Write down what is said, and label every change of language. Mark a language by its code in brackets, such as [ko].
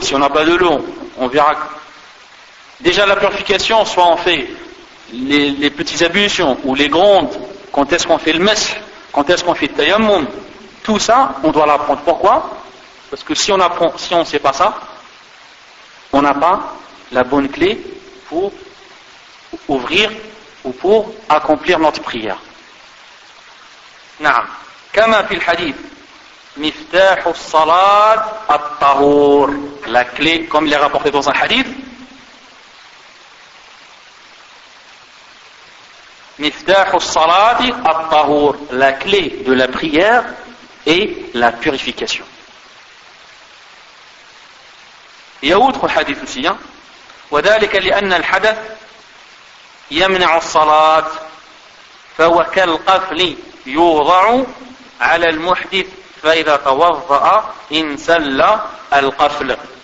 [fr] Si on n'a pas de l'eau, on verra. Déjà la purification, soit on fait les petites ablutions ou les grandes, quand est-ce qu'on fait le mess, quand est-ce qu'on fait le tayammum, tout ça, on doit l'apprendre. Pourquoi? Parce que si on ne sait pas ça, on n'a pas la bonne clé pour ouvrir ou pour accomplir notre prière. [ar] Naam. كما في الحديث مفتاح الصلاة الطهور. [fr] La clé, comme il est rapporté dans un hadith, [ar] مفتاح الصلاة الطهور. [fr] La clé de la prière est la purification. Il y a autre hadith aussi, hein? [ar] وذلك لأن الحدث يمنع الصلاة فهو كالقفل يوضع على المحدث فإذا توضأ انسل القفل.